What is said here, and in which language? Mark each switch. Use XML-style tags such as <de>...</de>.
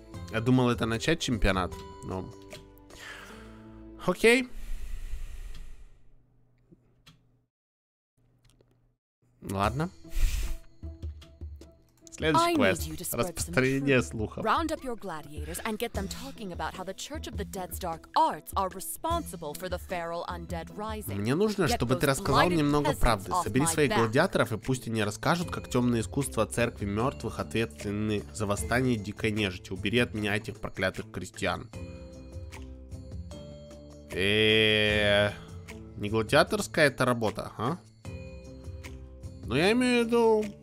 <ru>Я думал это начать чемпионат, но... Окей. Ладно. Следующий квест. Распространение слухов.</ru> <en>Round up your gladiators and get them talking about how the Church of the Dead's dark arts are responsible for the feral undead rising.</en> <ru>Мне нужно, чтобы ты рассказал немного правды. Собери своих гладиаторов и пусть они расскажут, как темные искусства церкви мертвых ответственны за восстание дикой нежити. Убери от меня этих проклятых крестьян. Не гладиаторская это работа, а? Ну я имею в виду.</ru>